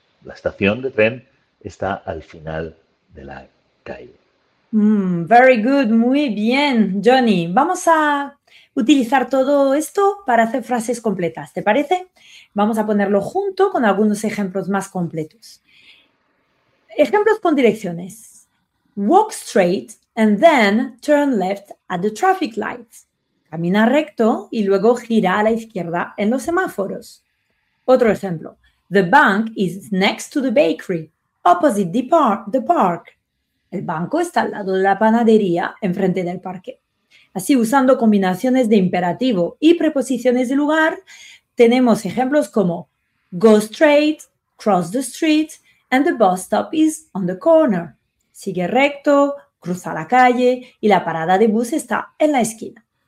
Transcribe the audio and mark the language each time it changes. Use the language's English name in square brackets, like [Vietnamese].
[Spanish] La estación de tren está al final de la calle. [English] Very good, [Spanish] muy bien, Johnny. Vamos a utilizar todo esto para hacer frases completas, ¿te parece? Vamos a ponerlo junto con algunos ejemplos más completos. Ejemplos con direcciones. [English] Walk straight and then turn left at the traffic lights. [Spanish] Camina recto y luego gira a la izquierda en los semáforos. Otro ejemplo. [English] The bank is next to the bakery, opposite the park. [Spanish] El banco está al lado de la panadería, enfrente del parque. Así, usando combinaciones de imperativo y preposiciones de lugar, tenemos ejemplos como [English] go straight, cross the street, and the bus stop is on the corner. [Spanish] Sigue recto, cruza la calle y la parada de bus está en la esquina.